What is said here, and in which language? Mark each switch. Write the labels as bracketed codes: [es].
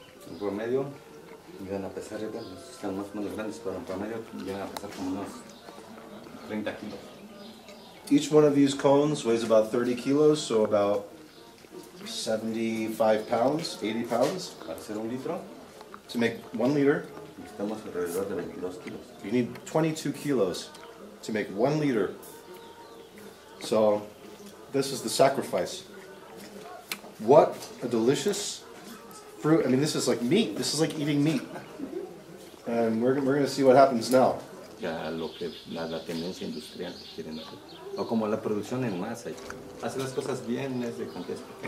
[es] En promedio, llegan a pesar, están más o menos grandes, pero en promedio llegan a pesar como unos 30 kilos. [en] Each one of these cones weighs about 30 kilos, so about 75 pounds, 80 pounds. [es] Para hacer un litro. [en] To make 1 liter. [es] Necesitamos alrededor de 22 kilos. [en] You need 22 kilos to make 1 liter. So, this is the sacrifice. What a delicious fruit. I mean, this is like meat. This is like eating meat. And we're going to see what happens now. [es] Ya lo que la tendencia industrial quieren hacer. O como la producción en masa. Hace las cosas bien, es de contexto.